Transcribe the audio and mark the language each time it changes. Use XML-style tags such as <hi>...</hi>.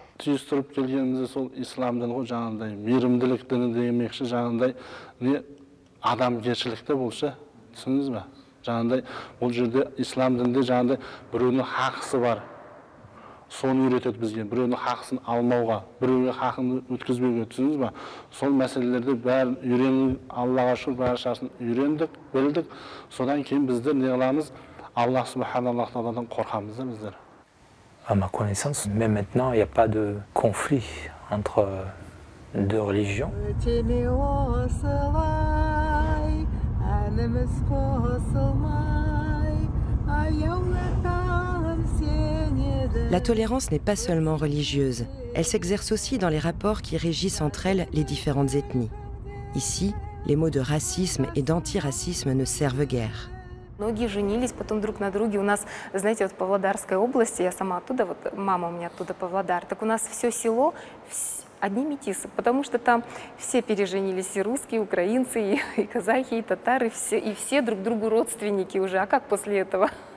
<kk>Түйістіріп келгенімізде сол исламдың ғой жаңағындай мейірімділік діні деген мекші жаңағындай не адамгершілікті болшы түсіндіңіз ба жаңағындай бұл жерде ислам дінінде жаңағындай біреудің хақысы бар соны үйретеді бізге біреудің хақысын алмауға біреуге хақын өткізбеуге түсіндіңіз ба сол мәселелерді бәрін үйреніп аллаға шүкір баршасын үйрендік білдік содан кейін біздер не қыламыз алла субханалла тағаладан қорқамыз да біздер</kk> <fr>à ma connaissance mais maintenant il n'y a pas de conflit entre deux religions La tolérance n'est pas seulement religieuse, elle s'exerce aussi dans les rapports qui régissent entre elles les différentes ethnies. Ici, les mots de racisme et d'antiracisme ne servent guère.</fr> <ru>Многие женились потом друг на друге. У нас, знаете, вот в Павлодарской области, я сама оттуда, вот мама у меня оттуда Павлодар, так у нас все село одни метисы, потому что там все переженились, и русские, и украинцы, и казахи, и татары, и все друг другу родственники уже. А как после этого?</ru>